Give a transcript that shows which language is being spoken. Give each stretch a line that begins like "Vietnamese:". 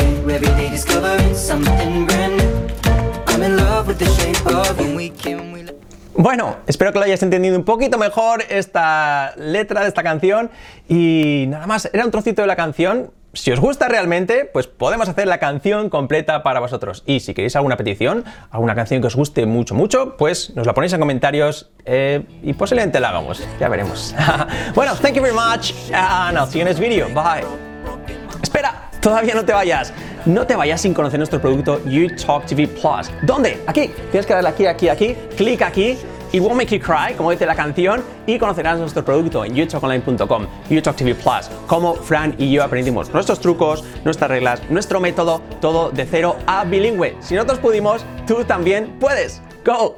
English: every day discovering something brand new. I'm in love with the shape of you.
Spanish: Bueno, espero que lo hayas entendido un poquito mejor esta letra de esta canción. Y nada más, era un trocito de la canción. Si os gusta realmente, pues podemos hacer la canción completa para vosotros. Y si queréis alguna petición, alguna canción que os guste mucho, mucho, pues nos la ponéis en comentarios y posiblemente la hagamos. Ya veremos.
English: Bueno, thank you very much and I'll see you in this video. Bye.
Spanish: Espera, todavía no te vayas. No te vayas sin conocer nuestro producto YouTalk TV Plus. ¿Dónde? Aquí. Tienes que darle aquí, aquí, aquí. Clic aquí.
English: It won't make you cry,
Spanish: como dice la canción. Y conocerás nuestro producto en youtalkonline.com, YouTalk TV Plus. Cómo Fran y yo aprendimos nuestros trucos, nuestras reglas, nuestro método, todo de cero a bilingüe. Si nosotros pudimos, tú también puedes. ¡Go!